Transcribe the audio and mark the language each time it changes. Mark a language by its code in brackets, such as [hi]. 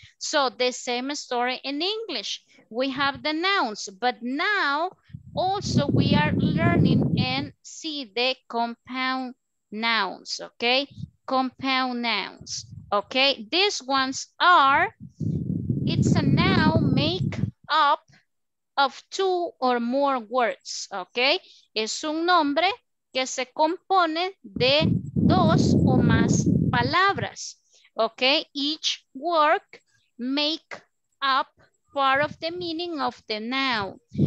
[en] So, the same story in English. We have the nouns, but now also we are learning and see the compound nouns, okay? Compound nouns, okay? These ones are, it's a noun make up of two or more words, okay? [es] Es un nombre que se compone de dos o más palabras, okay? [en] Each word make up part of the meaning of the noun.